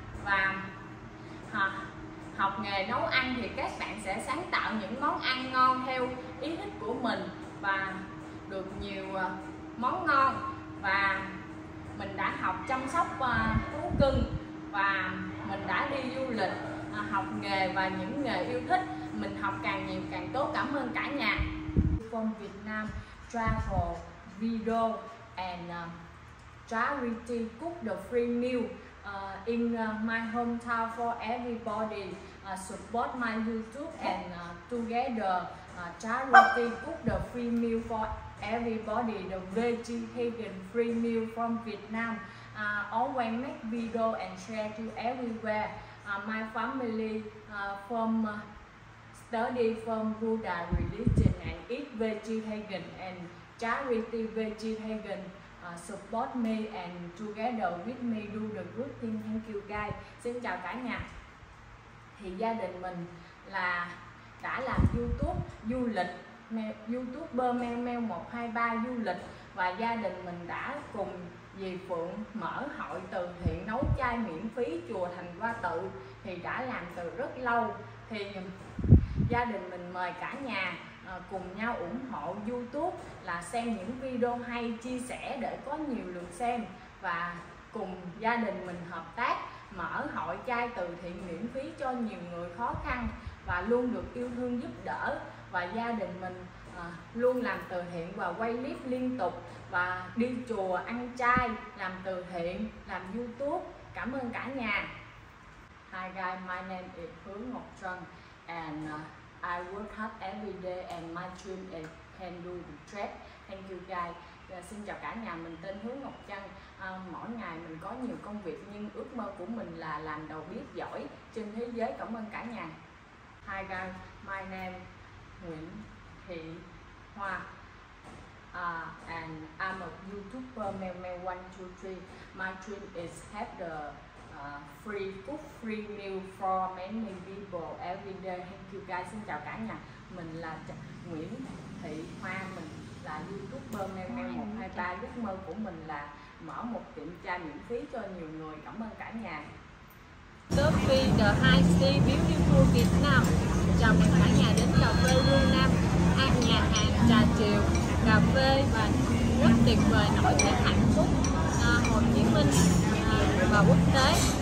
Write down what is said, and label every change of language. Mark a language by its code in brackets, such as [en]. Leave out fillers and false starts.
[vi] Và học nghề nấu ăn thì các bạn sẽ sáng tạo những món ăn ngon theo ý thích của mình và được nhiều món ngon. Và mình đã học chăm sóc thú cưng, và mình đã đi du lịch, học nghề và những nghề yêu thích. Mình học càng nhiều càng tốt. Cảm ơn cả nhà. [en] From Việt Nam travel video and charity cook the free meal in my hometown for everybody. Support my YouTube and together charity cook the free meal for everybody, the veggie vegan free meal from Vietnam. Always make video and share to everywhere. My family from study from Buddha religion and eat veggie vegan, and charity veggie vegan support me and together with me do the good thing. Thank you guys. [vi] Xin chào cả nhà. Thì gia đình mình là đã làm YouTube du lịch, YouTuber meo meo 123 du lịch, và gia đình mình đã cùng dì Phượng mở hội từ thiện nấu chay miễn phí chùa Thành Hoa Tự, thì đã làm từ rất lâu. Thì gia đình mình mời cả nhà cùng nhau ủng hộ YouTube là xem những video hay, chia sẻ để có nhiều lượt xem, và cùng gia đình mình hợp tác mở hội chay từ thiện miễn phí cho nhiều người khó khăn và luôn được yêu thương giúp đỡ. Và gia đình mình luôn làm từ thiện và quay clip liên tục và đi chùa ăn chay, làm từ thiện, làm YouTube. Cảm ơn cả nhà. [en] Hi guys, my name is Hứa Ngọc Trân and I work hard every day and my dream is can do the track. Thank you guys. [vi] Xin chào cả nhà, mình tên Hứa Ngọc Trân. Mỗi ngày mình có nhiều công việc nhưng ước mơ của mình là làm đầu bếp giỏi trên thế giới. Cảm ơn cả nhà. [en] Hi guys, my name Nguyễn Thị Hoa and I'm a YouTuber Mel Mel 123. My dream is have the free cook free meal for many people every day. Thank you guys. [vi] Xin chào cả nhà. Mình là Nguyễn Thị Hoa, mình là YouTuber Mel Mel 123. Giấc mơ của mình là mở một tiệm chay miễn phí cho nhiều người. Cảm ơn cả nhà. [en] Coffee the High Sea Beautiful Việt Nam. [vi] Chào mừng cả nhà đến cà phê Hương Nam, ăn nhà hàng trà chiều, cà phê và rất tuyệt vời, nổi tiếng hạnh phúc Hồ Chí Minh và quốc tế.